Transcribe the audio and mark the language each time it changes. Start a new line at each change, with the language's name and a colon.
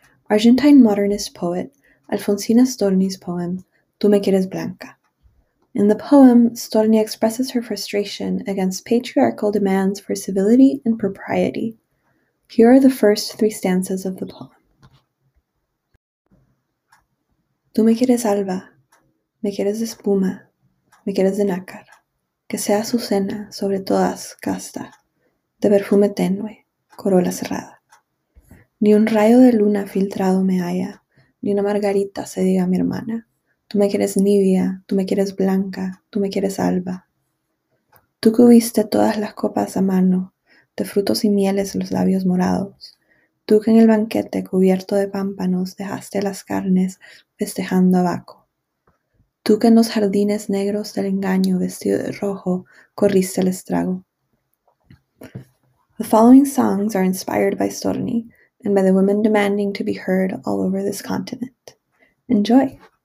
English: Argentine modernist poet Alfonsina Storni's poem, Tú me quieres blanca. In the poem, Storni expresses her frustration against patriarchal demands for civility and propriety. Here are the first three stanzas of the poem.
Spanish: Tú me quieres alba, me quieres espuma, me quieres de nácar, que sea azucena sobre todas casta, de perfume tenue, corola cerrada. Ni un rayo de luna filtrado me haya, ni una margarita se diga mi hermana. Tú me quieres nibia, tú me quieres blanca, tú me quieres alba. Tú que hubiste todas las copas a mano, de frutos y mieles los labios morados. Tú que en el banquete cubierto de pámpanos dejaste las carnes festejando a Baco. Tú que en los jardines negros del engaño vestido de rojo corriste el estrago.
English: The following songs are inspired by Storni and by the women demanding to be heard all over this continent. Enjoy!